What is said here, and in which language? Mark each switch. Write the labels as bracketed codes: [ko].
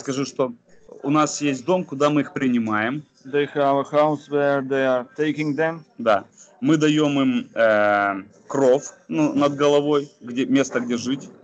[ru] Скажу, что у нас есть дом, куда мы их принимаем. [en] They have a house where they are taking them. [ru] Да. Мы даем им кров, ну, над головой, где место, где жить.